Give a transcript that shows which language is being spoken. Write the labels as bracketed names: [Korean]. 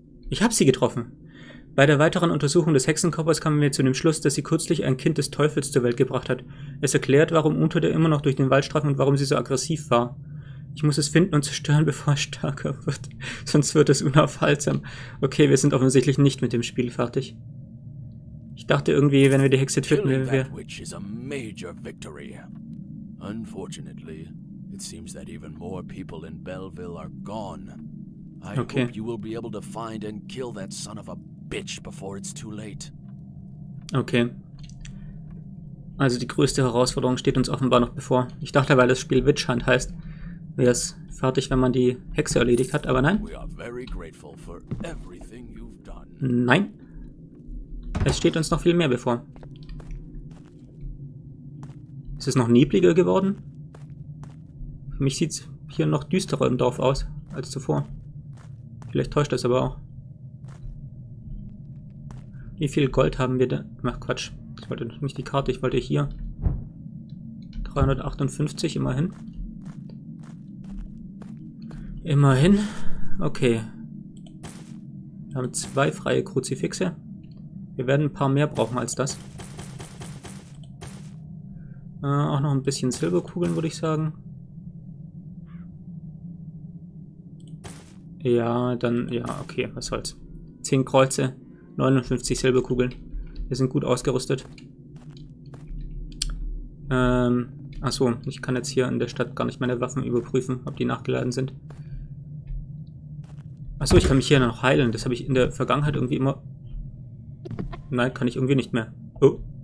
[German] Ich habe sie getroffen. Bei der weiteren Untersuchung des Hexenkörpers kamen wir zu dem Schluss, dass sie kürzlich ein Kind des Teufels zur Welt gebracht hat. Es erklärt, warum Unto der immer noch durch den Wald streift und warum sie so aggressiv war. Ich muss es finden und zerstören, bevor es stärker wird. Sonst wird es unaufhaltsam. Okay, wir sind offensichtlich nicht mit dem Spiel fertig. Ich dachte irgendwie, wenn wir die Hexe töten, wären wir. [English] Which is a major victory. Unfortunately, it seems that even more people in Belleville are gone. I hope you will be able to find and kill that son of a bitch before it's too late. Okay. [German] Also die größte Herausforderung steht uns offenbar noch bevor. Ich dachte, weil das Spiel Witch Hunt heißt, wäre es fertig, wenn man die Hexe erledigt hat, aber nein. [English] We are very grateful for everything you've done. [German] Nein. Es steht uns noch viel mehr bevor. Ist es noch nebliger geworden? Für mich sieht es hier noch düsterer im Dorf aus als zuvor. Vielleicht täuscht das aber auch. Wie viel Gold haben wir denn? Ach Quatsch, ich wollte nicht die Karte, ich wollte hier. 358 immerhin. Immerhin. Okay. Wir haben zwei freie Kruzifixe. Wir werden ein paar mehr brauchen als das. Auch noch ein bisschen Silberkugeln, würde ich sagen. Ja, dann, ja, okay, was soll's. 10 Kreuze, 59 Silberkugeln. Wir sind gut ausgerüstet. Achso, ich kann jetzt hier in der Stadt gar nicht meine Waffen überprüfen, ob die nachgeladen sind. Achso, ich kann mich hier noch heilen. Das habe ich in der Vergangenheit irgendwie immer. Nein, kann ich irgendwie nicht mehr. Oh.